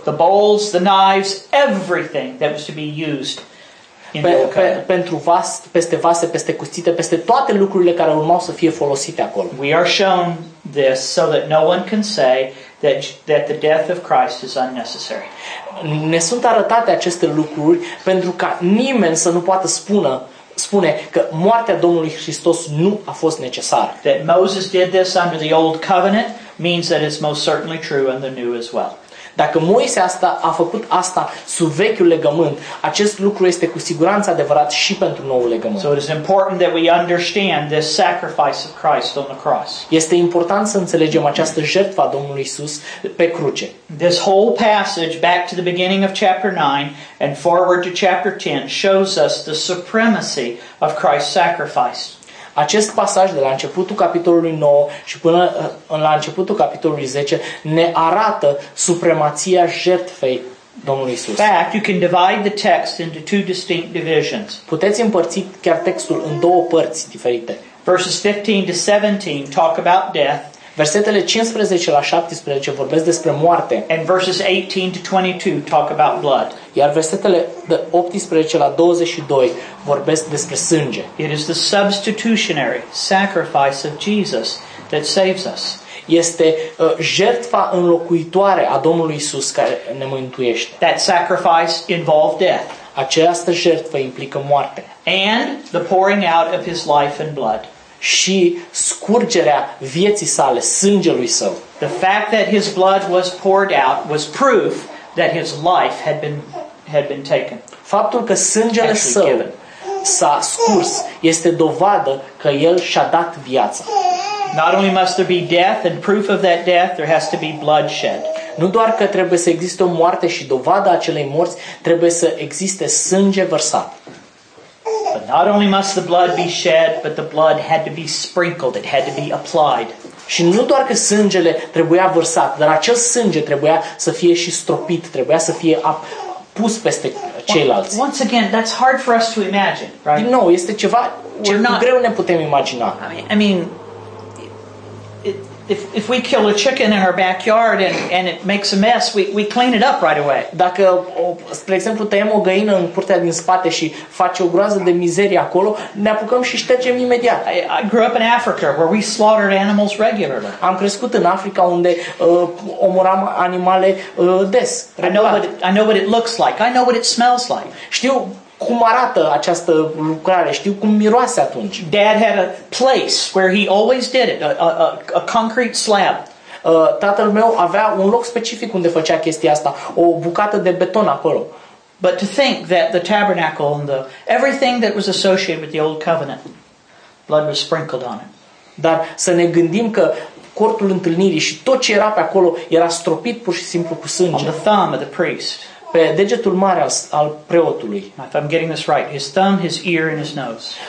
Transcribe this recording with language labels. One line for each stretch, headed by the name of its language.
English: the bowls, the knives, everything that was to be used in the covenant.
Romanian: Pentru peste vase, peste cuțite, peste toate lucrurile care urmau să fie folosite acolo.
English: We are shown this so that no one can say that the death of Christ is unnecessary.
Romanian: Ne sunt arătate aceste lucruri pentru ca nimeni să nu poată spune că moartea Domnului Hristos nu a fost necesară.
English: That Moses did this under the old covenant means that it's most certainly true in the new as well.
Romanian: Dacă Moise asta a făcut asta sub vechiul legământ, acest lucru este cu siguranță adevărat și pentru noul legământ.
English: So it is important that we understand this sacrifice of Christ on the cross.
Romanian: Este important să înțelegem această jertfă a Domnului Iisus pe cruce.
English: This whole passage back to the beginning of chapter 9 and forward to chapter 10 shows us the supremacy of Christ's sacrifice.
Romanian: Acest pasaj de la începutul capitolului 9 și până la începutul capitolului 10 ne arată supremația jertfei Domnului Iisus.
English: In fact, you can divide the text into two distinct divisions.
Romanian: Puteți împărți chiar textul în două părți diferite.
English: Verses 15 to 17 talk about death.
Romanian: Versetele 15 la 17 vorbesc despre moarte.
English: And verses 18 to 22 talk about blood.
Romanian: Iar versetele de 18 la 22 vorbesc despre sânge.
English: It is the substitutionary sacrifice of Jesus that saves us.
Romanian: Este jertfa înlocuitoare a Domnului Iisus care ne mântuiește.
English: That sacrifice involved death.
Romanian: Această jertfă implică moarte.
English: And the pouring out of his life and blood.
Romanian: Și scurgerea vieții sale, sângelui său.
English: The fact that his blood was poured out was proof that his life had been taken.
Romanian: Faptul că sângele său s-a scurs este dovadă că el și-a dat viața.
English: Not only must there be death and proof of that death, there has to be bloodshed.
Romanian: Nu doar că trebuie să existe o moarte și dovada acelei morți, trebuie să existe sânge vărsat.
English: But not only must the blood be shed, but the blood had to be sprinkled, it had to be applied.
Romanian: Și nu doar că sângele trebuia vărsat, dar acel sânge trebuia să fie și stropit, trebuia să fie pus peste ceilalți.
English: Once again, that's hard for us to imagine, right?
Romanian: Din nou, este ceva ce greu ne putem imagina.
English: I mean if we kill a chicken in our backyard and it makes a mess, we clean it up right away.
Romanian: Dacă, spre exemplu, tăiem o găină în curtea din spate și face o groază de mizerie acolo, ne apucăm și ștergem imediat.
English: I grew up in Africa where we slaughtered animals regularly.
Romanian: Am crescut în Africa unde omoram animale des.
English: I know what it looks like. I know what it smells like.
Romanian: Știu cum arată această lucrare, știu cum miroase atunci.
English: Dad had a place where he always did it, a concrete slab.
Romanian: Tatăl meu avea un loc specific unde făcea chestia asta, o bucată de beton acolo.
English: But to think that the tabernacle and everything that was associated with the old covenant, blood was sprinkled on it.
Romanian: Dar să ne gândim că cortul întâlnirii și tot ce era pe acolo era stropit pur și simplu cu sânge.
English: On the thumb of the priest.
Romanian: Pe degetul mare al preotului.
English: If I'm getting this right, his thumb, his ear and his nose.